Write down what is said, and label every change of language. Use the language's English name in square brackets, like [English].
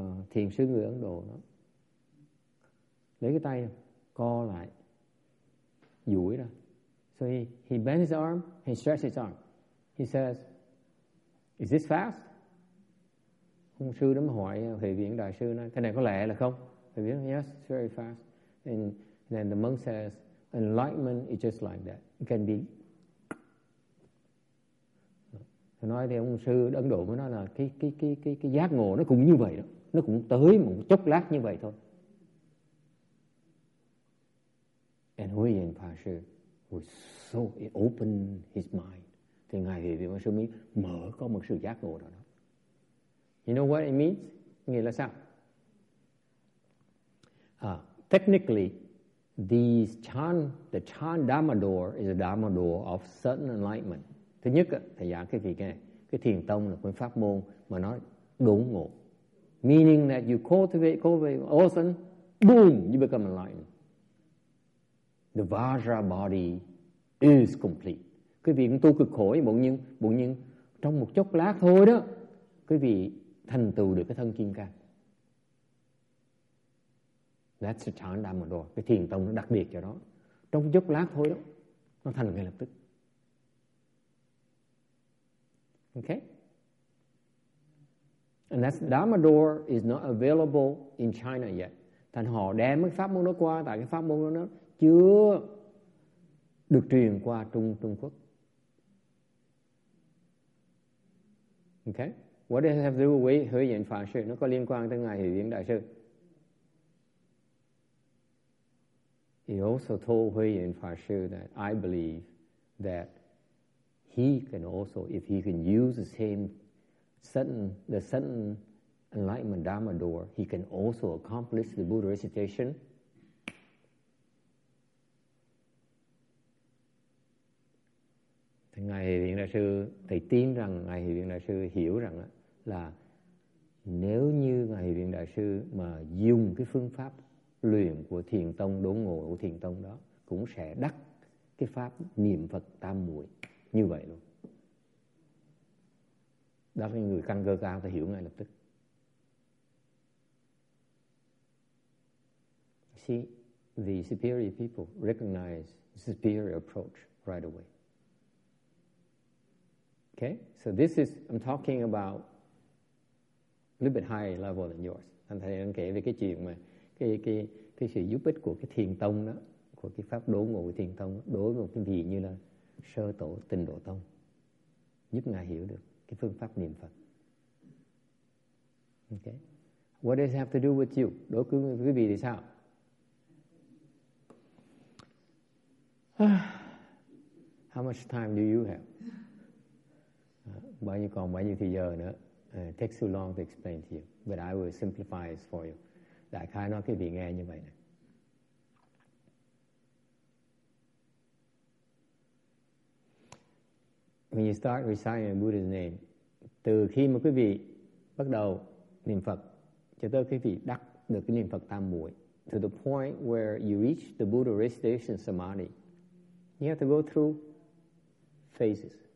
[Vietnamese] thiền sư người Ấn Độ đó, lấy cái tay co lại, duỗi ra. [English] So he bends his arm, he stretches his arm. He says, "Is this fast?" [Vietnamese] Ông sư đó mới hỏi Huệ Viện đại sư, nói cái này có lẹ là không? [English] Huệ Viện, yes, it's very fast. And then the monk says, "Enlightenment is just like that. It can be." [Vietnamese] Nói thì ông sư Ấn Độ mới nói là cái giác ngộ nó cũng như vậy đó, nó cũng tới một chốc lát như vậy thôi. [English] And Huệ Viện Pa Sư was so open his mind. [Vietnamese] Thì ngài Huệ Viện Pa Sư mới mở có một sự giác ngộ đó. [English] You know what it means? [Vietnamese] Nghĩa là sao? [English] Technically, the Chan Dharma Door is a Dharma Door of certain enlightenment. [Vietnamese] Thứ nhất, thầy giảng cái gì cái này? Cái thiền tông là cái pháp môn mà nó đốn ngộ. [English] Meaning that you cultivate, all of a sudden, boom, you become enlightened. The Vajra body is complete. [Vietnamese] Cái vị tu cực khổ, bỗng nhiên trong một chốc lát thôi đó, cái vị thành tựu được cái thân kim cang. [English] That's the Chan Dharma Door. [Vietnamese] Cái thiền tông nó đặc biệt cho đó. Trong chốc lát thôi đó, nó thành ngay lập tức. [English] Okay? And that's Dharma Door is not available in China yet. [Vietnamese] Thành họ đem cái pháp môn đó qua, tại cái pháp môn đó nó chưa được truyền qua Trung Quốc. [English] Okay? What does it have to do with Huệ Viện Pháp Sư? [Vietnamese] Nó có liên quan tới ngài Huệ Viện Đại Sư. [English] He also told Huệ Viện Pháp Sư that I believe that he can also, if he can use the certain enlightenment Dharma door, he can also accomplish the Buddha recitation. [Vietnamese] Ngài Huệ Viện Đại Sư, thầy tin rằng ngài Huệ Viện Đại Sư hiểu rằng là nếu như ngài Huệ Viện Đại Sư mà dùng cái phương pháp luyện của thiền tông đốn ngộ của thiền tông đó, cũng sẽ đắc cái pháp niệm Phật tam muội như vậy luôn. Đó là người căn cơ cao ta hiểu ngay lập tức. [English] See, the superior people recognize the superior approach right away. Okay, so this is, I'm talking about a little bit higher level than yours. [Vietnamese] Anh thầy đang kể về cái chuyện mà cái sự giúp ích của cái thiền tông đó, của cái pháp đốn ngộ của thiền tông đó, đối với một cái vị như là sơ tổ Tịnh Độ Tông, giúp ngài hiểu được cái phương pháp niệm Phật. [English] Okay. What does it have to do with you? [Vietnamese] Đối với quý vị thì sao? [English] How much time do you have? [Vietnamese] Bao nhiêu còn bao nhiêu thời giờ nữa? [English] It takes too long to explain to you, but I will simplify it for you. [Vietnamese] Đại khái nói cái vị nghe như vậy này. [English] When you start reciting Buddha's name, [Vietnamese] từ khi mà quý vị bắt đầu niệm Phật, cho tới quý vị đắc được cái niệm Phật tam muội, [English] to the point where you reach the Buddha recitation samadhi, you have to go through phases.